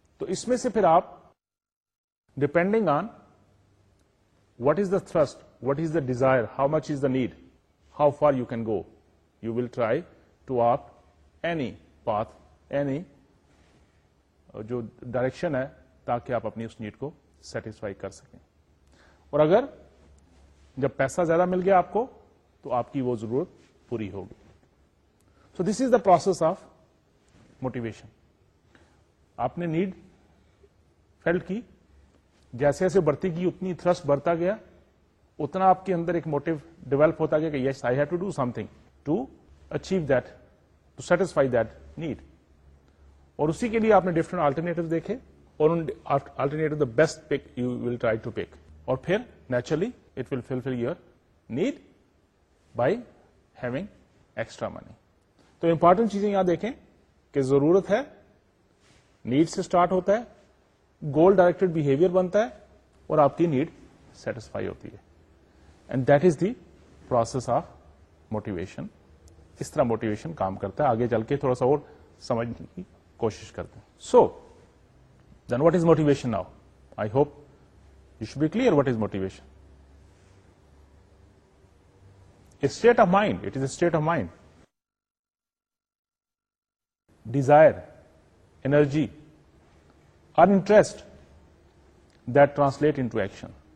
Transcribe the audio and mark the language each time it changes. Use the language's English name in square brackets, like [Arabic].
[Urdu] تو اس میں سے پھر آپ [English] depending on what is the thirst, what is the desire, how much is the need, how far you can go, you will try to آپ any path, any [Urdu] جو direction ہے, تاکہ آپ اپنی اس نیڈ کو سیٹسفائی کر سکیں. اور اگر جب پیسہ زیادہ مل گیا آپ کو, تو آپ کی وہ ضرورت پوری ہوگی. [English] So this is the process of motivation. [Urdu] آپ نے نیڈ فیلٹ کی, جیسے جیسے بڑھتی گئی اتنی تھرسٹ بڑھتا گیا, اتنا آپ کے اندر ایک موٹیو ڈیولپ ہوتا گیا کہ [English] Yes I have to do something to achieve that, to satisfy that need. [Urdu] اور اسی کے لیے آپ نے ڈفرنٹ آلٹرنیٹو دیکھے, اور ان [English] alternative the best pick you will try to pick, [Urdu] اور پھر [English] Naturally it will fulfil your need by having extra money. [Urdu] تو امپورٹنٹ چیزیں یہاں دیکھیں کہ ضرورت ہے, نیڈ سے اسٹارٹ ہوتا ہے, گول ڈائریکٹڈ بہیویئر بنتا ہے, اور آپ کی نیڈ سیٹسفائی ہوتی ہے. [English] And that is the process of motivation. [Urdu] اس طرح موٹیویشن کام کرتا ہے. آگے چل کے تھوڑا سا اور سمجھ کوشش کرتے ہیں. [English] So then what is motivation now? I hope you should be clear what is motivation. State of mind, it is a state of mind, desire, energy, or interest that translate into action.